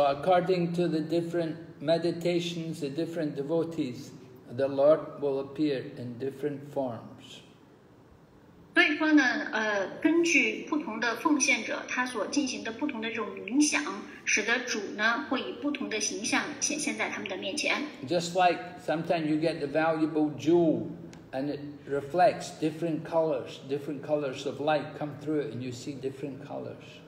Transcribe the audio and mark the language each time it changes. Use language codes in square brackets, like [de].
[en] according to the different meditations, the different devotees, the Lord will appear in different forms. [zh] 所以说呢，根据不同的奉献者，他所进行的不同的这种冥想。 [en] Just like sometimes you get the valuable jewel and it reflects different colors of light come through it and you see different colors.